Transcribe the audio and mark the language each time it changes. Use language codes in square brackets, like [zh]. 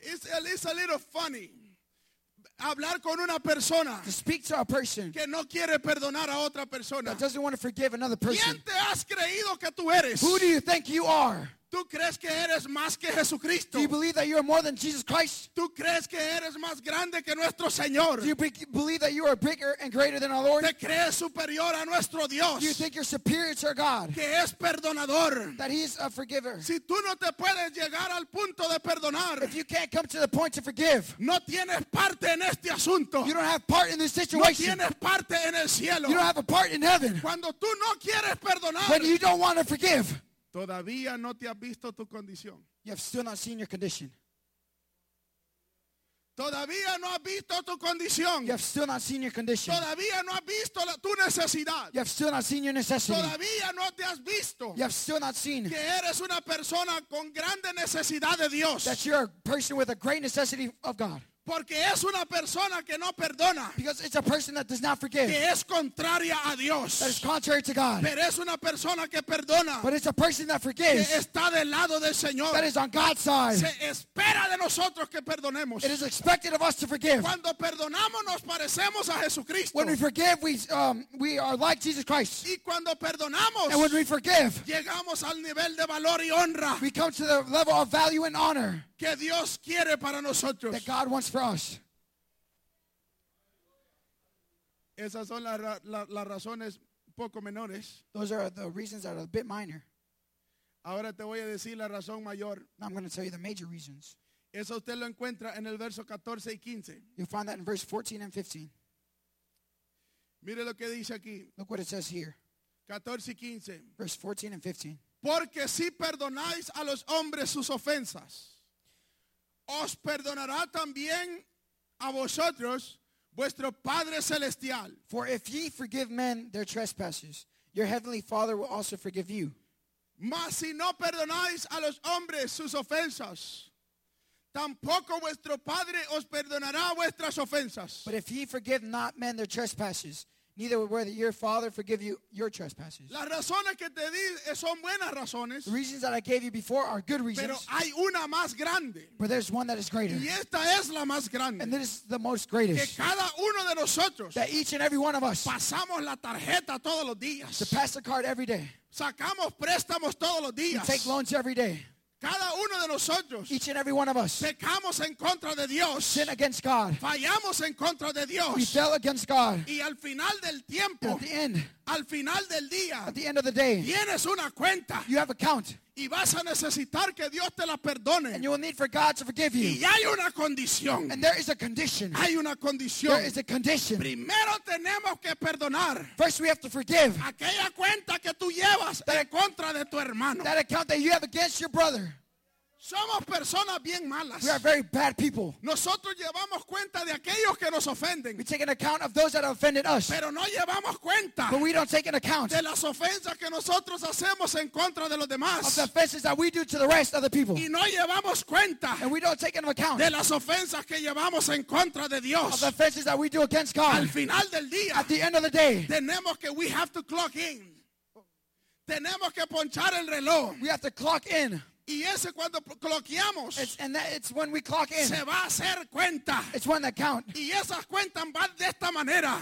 [en] It's a little funny. [es] Hablar con una persona. [en] To speak to a person. [es] Que no quiere perdonar a otra persona. [en] That doesn't want to forgive another person. [es] ¿Quién te has creído que tú eres? [en] Who do you think you are? [es] ¿Tú crees que eres más que Jesucristo? [en] Do you believe that you are more than Jesus Christ? [es] ¿Tú crees que eres más grande que nuestro Señor? [en] Do you believe that you are bigger and greater than our Lord? [es] ¿Te crees superior a nuestro Dios? [en] Do you think you're superior to our God? [es] ¿Que es perdonador? [en] That he's a forgiver. [es] Si tú no te puedes llegar al punto de perdonar. [en] If you can't come to the point to forgive. [es] No tienes parte en este asunto. [en] You don't have part in this situation. [es] No tienes parte en el cielo. [en] You don't have a part in heaven. [es] Cuando tú no quieres perdonar. [en] When you don't want to forgive. [es] Todavía no te has visto tu condición. [en] You have still not seen your condition. [es] Todavía no has visto tu condición. [en] You have still not seen your condition. [es] Todavía no has visto tu necesidad. [en] You have still not seen your necessity. [es] Todavía no te has visto. [en] You have still not seen. [es] Que eres una persona con grande necesidad de Dios. [en] That you're a person with a great necessity of God. [es] Porque es una persona que no perdona. [en] Because it's a person that does not forgive. [es] Que es contraria a Dios. [en] That is contrary to God. [es] Pero es una persona que perdona. [en] But it's a person that forgives. [es] Que está del lado del Señor. [en] That is on God's side. [es] Se espera de nosotros que perdonemos. [en] It is expected of us to forgive. [es] Cuando perdonamos nos parecemos a Jesucristo. [en] When we forgive, we are like Jesus Christ. [es] Y cuando perdonamos. [en] And when we forgive. [es] Llegamos al nivel de valor y honra. [en] We come to the level of value and honor. [es] Que Dios quiere para nosotros. [en] That God wants for us. [es] Esas son las razones poco menores. [en] Those are the reasons that are a bit minor. [es] Ahora te voy a decir la razón mayor. [en] Now I'm going to tell you the major reasons. [es] Eso usted lo encuentra en el verso 14 y 15. [en] You'll find that in verse 14 and 15. [es] Mire lo que dice aquí. [en] Look what it says here. [es] 14 y 15. [en] Verse 14 and 15. [es] Porque si perdonáis a los hombres sus ofensas, os perdonará también a vosotros vuestro Padre Celestial. [en] For if ye forgive men their trespasses, your heavenly Father will also forgive you. [es] Mas si no perdonáis a los hombres sus ofensas, tampoco vuestro Padre os perdonará vuestras ofensas. [en] But if ye forgive not men their trespasses, neither will your Father forgive you your trespasses. [es] Las razones que te di son buenas razones. [en] The reasons that I gave you before are good reasons. [es] Pero hay una más grande. [en] But there's one that is greater. [es] Y esta es la más grande. [en] And this is the most greatest. [es] Que cada uno de nosotros, [en] that each and every one of us, [es] pasamos la tarjeta todos los días. [en] To pass the card every day. [es] Sacamos préstamos todos los días. [en] We take loans every day. [es] Cada uno de nosotros, [en] each and every one of us, [es] pecamos en contra de Dios, [en] sin against God, [es] fallamos en contra de Dios, [en] we fell against God, [es] y al final del tiempo, [en] at the end, [es] al final del día, [en] at the end of the day, [es] tienes una cuenta, [en] you have account, [es] y vas a necesitar que Dios te la perdone, [en] and you will need for God to forgive you, [es] y hay una condición, [en] and there is a condition, [es] hay una condición, [en] there is a condition, [es] primero tenemos que perdonar, [en] first we have to forgive, [es] aquella cuenta que tú llevas [en] that, [es] en contra de tu hermano, [en] that account that you have against your brother. [es] Somos personas bien malas. [en] We are very bad people. [es] Nosotros llevamos cuenta de aquellos que nos ofenden. [en] We take an account of those that have offended us. [es] Pero no llevamos cuenta. [en] But we don't take an account. [es] De las ofensas que nosotros hacemos en contra de los demás. [en] Of the offenses that we do to the rest of the people. [es] Y no llevamos cuenta. [en] And we don't take an account. [es] De las ofensas que llevamos en contra de Dios. [en] Of the offenses that we do against God. [es] Al final del día. [en] At the end of the day. [es] Tenemos que [en] we have to clock in. [es] Tenemos que ponchar el reloj. [en] We have to clock in. [es] Y ese cuando cloqueamos, [en] and that it's when we clock in. [es] Se va a hacer cuenta. [en] It's when the count. [es] Y esas cuentas van de esta manera.